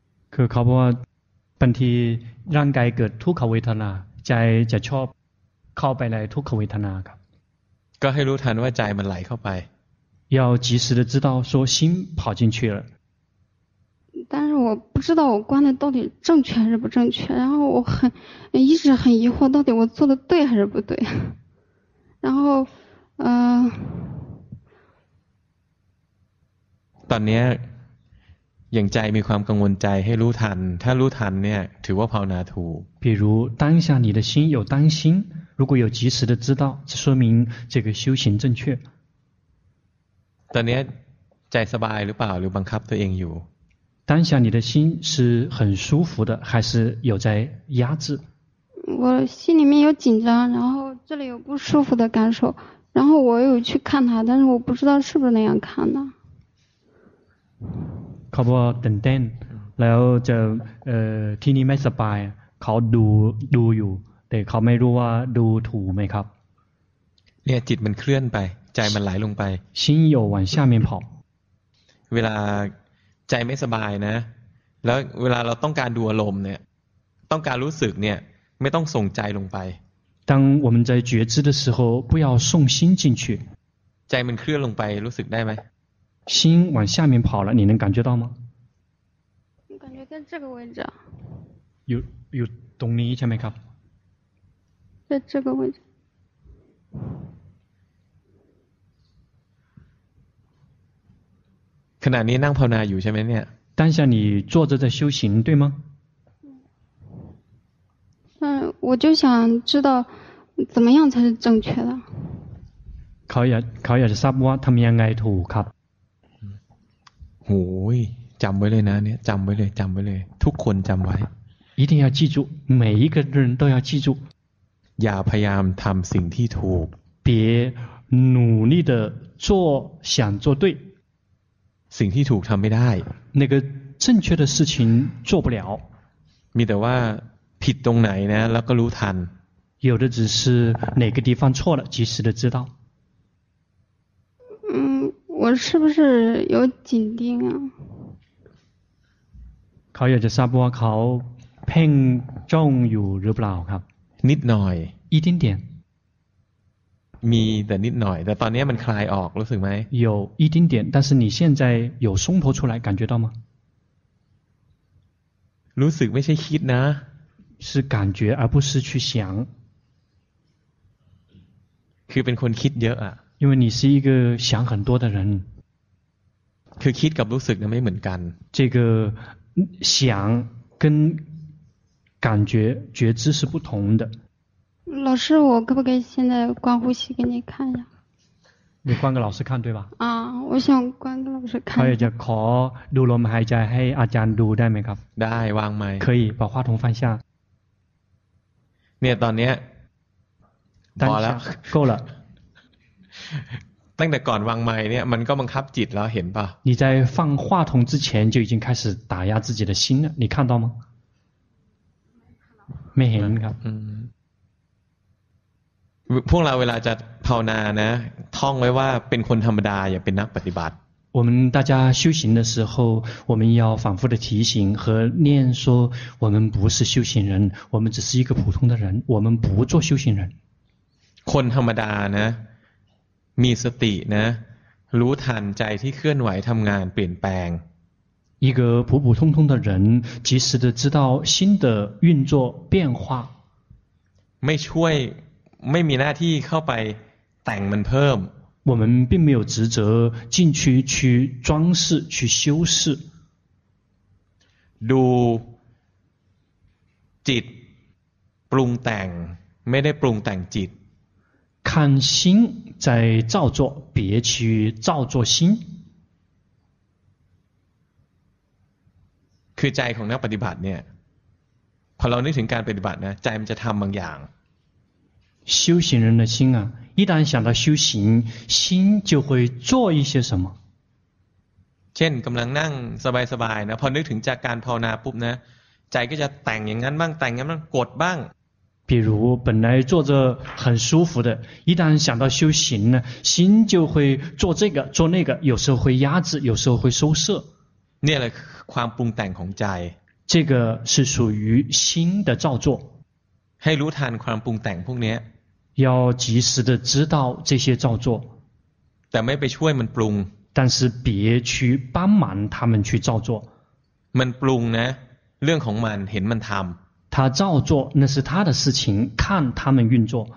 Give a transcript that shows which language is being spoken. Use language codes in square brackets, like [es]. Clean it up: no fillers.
[zh] 可靠不本体让改革吐口为他呢在这错靠白来吐口为他呢可以如他能够在门来靠白要及时的知道说心跑进去了。但是我不知道我观的到底正确还是不正确，然后我一直很疑惑，到底我做的对还是不对？然后， [th] ตอนนี้อย่างใจมีความกังวลใจให้รู้ทันถ้ารู้ทันเนี่ยถือว่าภาวนาถูก [zh] 比如当下你的心有担心，如果有及时的知道，这说明这个修行正确。 [th] ตอนนี้ใจสบายหรือเปล่าหรือบังคับตัวเองอยู่ [zh] 当下你的心是很舒服的还是有在压制我心里面有紧张然后这里有不舒服的感受然后我有去看他但是我不知道是不是那样看的 [th] เขาบอกตึงแล้วจะที่นี่ไม่สบายเขาดูอยู่แต่เขาไม่รู้ว่าดูถูกไหมครับ เนี่ยจิตมันเคลื่อนไปใจมันไหลลงไป [zh] 心有往下面跑 [th] เวลาใจไม่สบายนะแล้วเวลาเราต้องการดูอารมณ์เนี่ยต้องการรู้สึกเนี่ยไม่ต้องส่งใจลงไป [zh] 当我们在觉知的时候不要送心进去 [th] ใจมันเคลื่อนลงไปรู้สึกได้ไหม [zh] 心往下面跑了你能感觉到吗感觉在这个位置 [th] อยู่ตรงนี้ใช่ไหมครับ [zh] 在这个位置 [th] ขณะนี้นั่งภาวนาอยู่ใช่ไหมเนี่ย [zh] 当下你坐着在修行对吗我就想知道怎么样才是正确的 [th] เขาอยากจะทราบว่าทำยังไงถูกครับ โอ้ยจำไว้เลยนะเนี่ยจำไว้เลยทุกคนจำไว้ [zh] 一定要记住每一个人都要记住 [th] อย่าพยายามทำสิ่งที่ถูก [zh] 别努力的做想做对 [th] สิ่งที่ถูกทำไม่ได้ [zh] 那个正确的事情做不了 [th] มีแต่ว่าผิดตรงไหนนะแล้วก็รู้ทัน [zh] 有的只是哪个地方错了及时的知道我是不是有紧盯啊 [th] เขาอยากจะทราบว่าเขาเพ่งจ้องอยู่หรือเปล่าครับ นิดหน่อย [zh] 一点点 [th] มีแต่นิดหน่อยแต่ตอนนี้มันคลายออกรู้สึกไหม [zh] 有一点点但是你现在有松脱出来感觉到吗 [th] รู้สึกไม่ใช่คิดนะ [zh] 是感觉而不是去想 [th] คือเป็นคนคิดเยอะอ่ะ [zh] 因为你是一个想很多的人 [th] คือคิดกับรู้สึกไม่เหมือนกัน [zh] 这个想跟感觉觉知是不同的老师我可不可以现在观呼吸给你看一下你观给老师看对吧我想观给老师看他也就 [th] ขอดูลมหายใจให้อาจารย์ดูได้ไหมครับ ได้วางไหม [zh] 可以把话筒放下 [th] เนี่ยตอนนี้พอแล้ว [zh] 够了 [th] ตั้งแต่ก่อนวางไหมเนี่ยมันก็บังคับจิตแล้วเห็นป่ะ [zh] 你在放话筒之前就已经开始打压自己的心了你看到吗没看到没 [th] เห็นครับ พวกเราเวลาจะภาวนานะท่องไว้ว่าเป็นคนธรรมดาอย่าเป็นนักปฏิบัติ [zh] 我们大家修行的时候我们要反复的提醒和念说我们不是修行人我们只是一个普通的人我们不做修行人 [th] คนธรรมดานะมีสตินะรู้ทันใจที่เคลื่อนไหวทำงานเปลี่ยนแปลง [zh] 一个普普通通的人及时的知道心的运作变化 [th] ไม่ช่วยไม่มีหน้าที่เข้าไปแต่งมันเพิ่ม [zh] 我们并没有职责进去去装饰去修饰 [th] ดูจิตปรุงแต่ง [zh] 没得 [th] ปรุงแต่งจิต [zh] 看心在造作别去造作心 [th] คือใจของนักปฏิบัติเนี่ยพอเรานึกถึงการปฏิบัตินะใจมันจะทำบางอย่าง [zh] 修行人的心啊一旦想到修行心就会做一些什么 [th] เช่นกำลังนั่งสบายๆนะพอนึกถึงจากการภาวนาปุ๊บนะใจก็จะแต่งอย่างนั้นบ้างแต่งอย่างนั้นกดบ้าง [zh] 比如本来坐着很舒服的一旦想到修行呢心就会做这个做那个有时候会压制有时候会收摄 [th] นี่แหละความปรุงแต่งของใจ [zh] 这个是属于心的造作 [th] ให้รู้ทันความปรุงแต่งพวกนี้ [zh] 要及时的知道这些造作 [th] แต่ไม่ไปช่วยมันปรุง [zh] 但是别去帮忙他们去造作 [th] มันปรุงนะเรื่องของมันเห็นมันทำ [zh] 他造作那是他的事情看他们运作